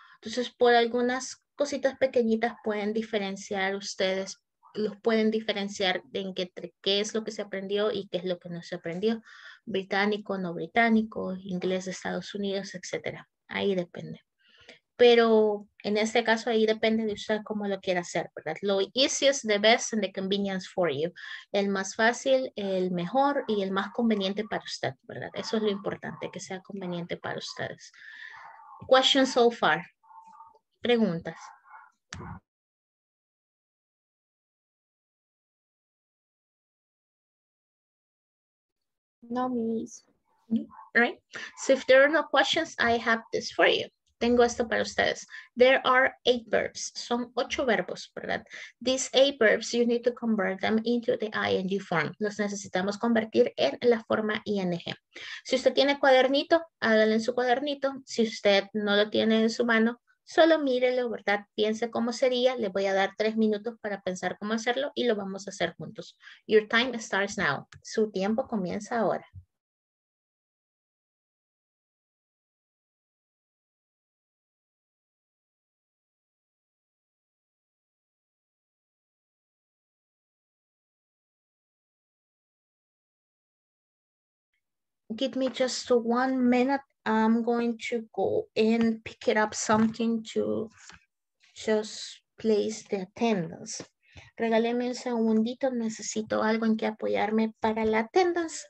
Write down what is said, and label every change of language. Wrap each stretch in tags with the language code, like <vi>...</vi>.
<es>Entonces, por algunas cositas pequeñitas pueden diferenciar ustedes, los pueden diferenciar en qué es lo que se aprendió y qué es lo que no se aprendió. Británico, no británico, inglés de Estados Unidos, etc. Ahí depende. Pero en este caso ahí depende de usted cómo lo quiera hacer, ¿verdad?</es> <en>Lo easiest, the best, and the convenience for you.</en> <es>El más fácil, el mejor y el más conveniente para usted, ¿verdad? Eso es lo importante, que sea conveniente para ustedes.</es> <en>Questions so far.</en> <es>Preguntas.</es> <en>No, Miss. Right? So if there are no questions, I have this for you.</en> <es>Tengo esto para ustedes.</es> <en>There are 8 verbs.</en> <es>Son 8 verbos, ¿verdad?</es> <en>These 8 verbs, you need to convert them into the ing form.</en> <es>Los necesitamos convertir en la forma ing. Si usted tiene cuadernito, háganlo en su cuadernito. Si usted no lo tiene en su mano, solo mírelo, ¿verdad? Piense cómo sería. Le voy a dar 3 minutos para pensar cómo hacerlo y lo vamos a hacer juntos.</es> <en>Your time starts now.</en> <es>Su tiempo comienza ahora.</es> <en>Give me just 1 minute. I'm going to go and pick it up something to just place the attendance.</en> <es>Regáleme un segundito. Necesito algo en que apoyarme para la attendance.</es>